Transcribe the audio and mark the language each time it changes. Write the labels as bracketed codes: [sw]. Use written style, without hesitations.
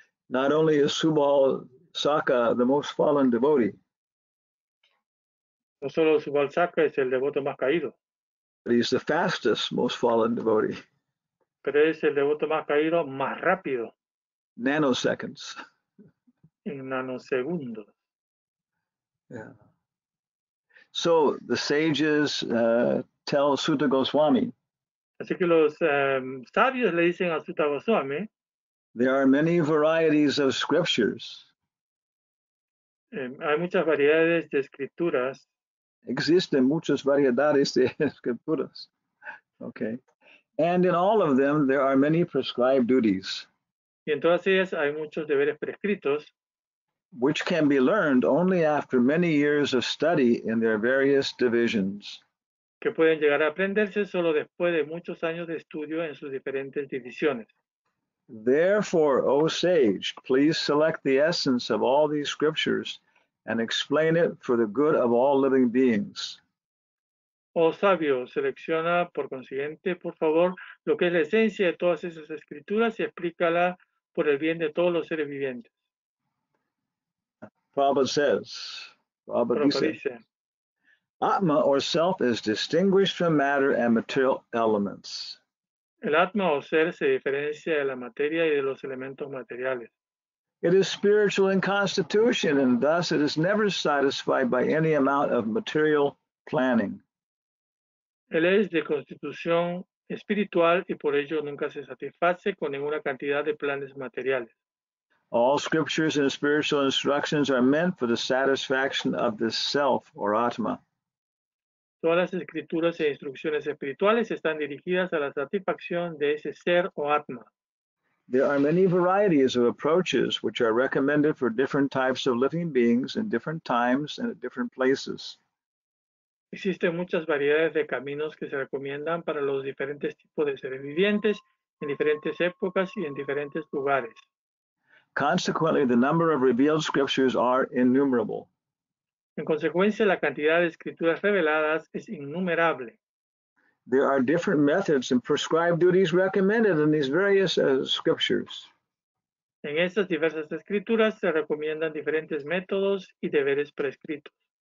[en] Not only is Subal Saka the most fallen devotee. [es] No solo Subal Saka es el devoto más caído. [en] But he's the fastest most fallen devotee. [es] Pero es el devoto más caído más rápido. [en] Nanoseconds. [es] En nanosegundos. [en] Yeah. So the sages tell Suta Goswami. [es] Así que los sabios le dicen a Suta Goswami. [en] There are many varieties of scriptures. [es] Hay muchas variedades de escrituras. Existen muchas variedades de escrituras. Okay. [en] And in all of them, there are many prescribed duties. [es] Y en todas ellas hay muchos deberes prescritos, [en] which can be learned only after many years of study in their various divisions. [es] Que pueden llegar a aprenderse solo después de muchos años de estudio en sus diferentes divisiones. [en] Therefore, O sage, please select the essence of all these scriptures and explain it for the good of all living beings. [es] Oh sabio, selecciona por consiguiente, por favor, lo que es la esencia de todas esas escrituras y explícala por el bien de todos los seres vivientes. [en] Prabhupada [es] Prabhupada dice, [en] Atma or self is distinguished from matter and material elements. [es] El Atma o ser se diferencia de la materia y de los elementos materiales. [en] It is spiritual in constitution, and thus it is never satisfied by any amount of material planning. [es] Él es de constitución espiritual y por ello nunca se satisface con ninguna cantidad de planes materiales. [en] All scriptures and spiritual instructions are meant for the satisfaction of the self or Atma. [es] Todas las escrituras e instrucciones espirituales están dirigidas a la satisfacción de ese ser o Atma. [en] There are many varieties of approaches which are recommended for different types of living beings in different times and at different places. [es] Existen muchas variedades de caminos que se recomiendan para los diferentes tipos de seres vivientes en diferentes épocas y en diferentes lugares. [en] Consequently, the number of revealed scriptures are innumerable. [es] En consecuencia, la cantidad de escrituras reveladas es innumerable. [en] There are different methods and prescribed duties recommended in these various scriptures. [es] En estas diversas escrituras se recomiendan diferentes métodos y deberes prescritos.